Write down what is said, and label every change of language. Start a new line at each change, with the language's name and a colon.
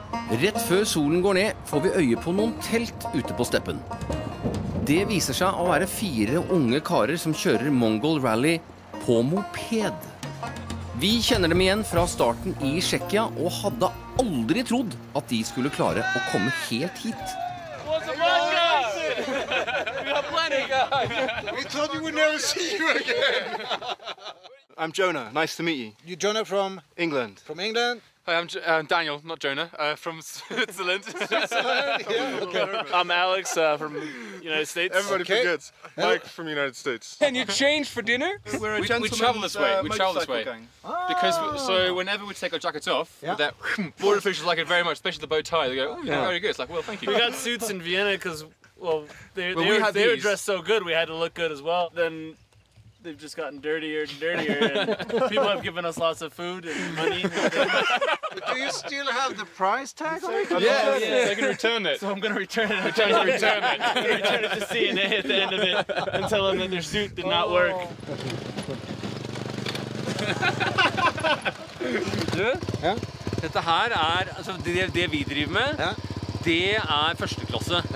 Norwegian: Rett før solen går ned får vi øye på noen telt ute på steppen. Det viser seg å være fire unge karer som kjører Mongol Rally på moped. Vi kjenner dem igjen fra starten I Tsjekkia og hadde aldri trodd at de skulle klare å komme helt hit.
English: We thought we would never see you again. I'm Jonah. Nice to meet you. You're Jonah from? England. From England. Hi, I'm Daniel, not Jonah, from Switzerland. Switzerland, yeah, okay. I'm Alex, from United States. Everybody okay. forgets. Mike from United States. Can you change for dinner? We're a gentleman. We travel this way. Ah. Because, so whenever we take our jackets off, yeah. that board officials like it very much, especially the bow tie, they go, oh, you're yeah. very good. It's like, well, thank you. We got suits in Vienna because, well, they were dressed so good, we had to look good as well. Then... They've just gotten dirtier and dirtier, and people have given us lots of food and money. But do you still have the prize tag on it? Yeah, yeah. So I can return it. So I'm going to return it. return it to CNA at the end of it and tell them that their suit did not work.
Norwegian: Du, dette her altså det vi driver med, det første klasse.